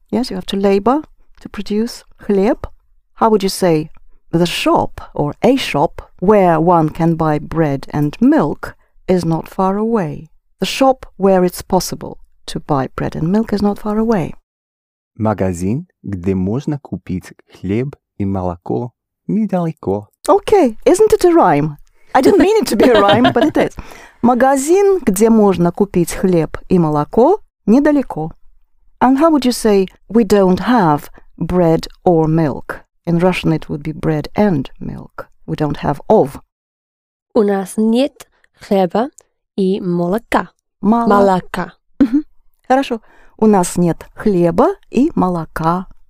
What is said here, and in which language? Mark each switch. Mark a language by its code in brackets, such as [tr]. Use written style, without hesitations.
[en] Yes, you have to labor to produce хлеб. How would you say the shop or a shop where one can buy bread and milk is not far away? The shop where it's possible to buy bread and milk is not far away. [ru] Магазин, где можно купить хлеб и молоко, недалеко. [en] Okay, isn't it a rhyme? I didn't mean it to be a rhyme, but it is. [ru] Магазин, где можно купить хлеб и молоко, недалеко. [en] And how would you say we don't have bread or milk? In Russian it would be bread and milk. We don't have of. [ru] У нас нет хлеба и молока. Молока. Хорошо. У нас нет хлеба и молока.